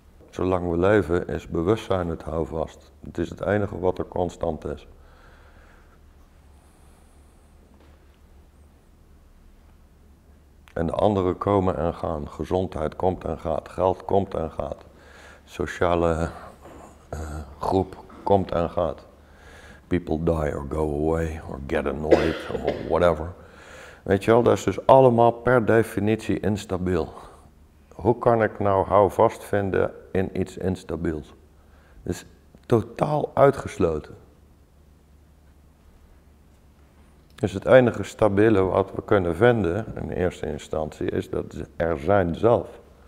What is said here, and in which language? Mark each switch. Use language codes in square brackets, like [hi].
[nl] Zolang we leven is bewustzijn het houvast. Het is het enige wat er constant is. En de anderen komen en gaan. Gezondheid komt en gaat. Geld komt en gaat. Sociale groep komt en gaat. [en] People die or go away or get annoyed or whatever. [nl] Weet je wel, dat is dus allemaal per definitie instabiel. Hoe kan ik nou houvast vinden in iets instabiels? Het is totaal uitgesloten. Dus het enige stabiele wat we kunnen vinden in eerste instantie is dat er zijn zelf.